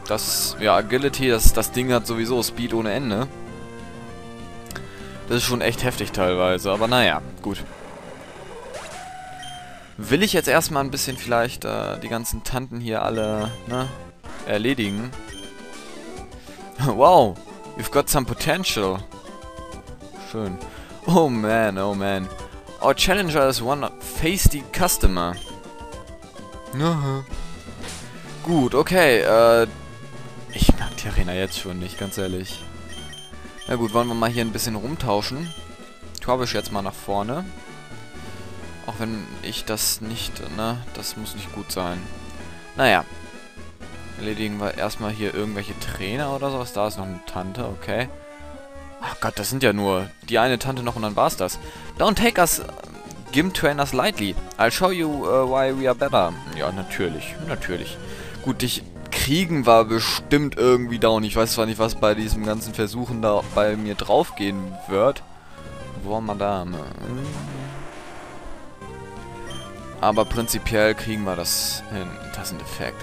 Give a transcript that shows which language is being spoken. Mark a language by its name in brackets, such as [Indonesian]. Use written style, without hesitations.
[German] Das, ja, Agility, das Ding hat sowieso Speed ohne Ende. Das ist schon echt heftig teilweise, aber naja, gut. Will ich jetzt erstmal ein bisschen vielleicht die ganzen Tanten hier alle, ne, erledigen. [English] Wow, you've got some potential. schön. Oh man, oh man. Our challenger is one feisty customer. Aha. [German] Gut, okay, ich mag die Arena jetzt schon nicht, ganz ehrlich. Na gut, wollen wir mal hier ein bisschen rumtauschen. Ich habe jetzt mal nach vorne. Auch wenn ich das nicht, ne, das muss nicht gut sein. Naja. Erledigen wir erstmal hier irgendwelche Trainer oder sowas. Da ist noch eine Tante, okay. Ach Gott, das sind ja nur die eine Tante noch und dann war's das. [English] Don't take us Gym Trainers lightly. I'll show you why we are better. [German] Ja, natürlich, natürlich. Gut, dich kriegen war bestimmt irgendwie down. Ich weiß zwar nicht, was bei diesem ganzen Versuchen da bei mir drauf gehen wird. Boah, Madame. Aber prinzipiell kriegen wir das hin. Das ist ein Effekt.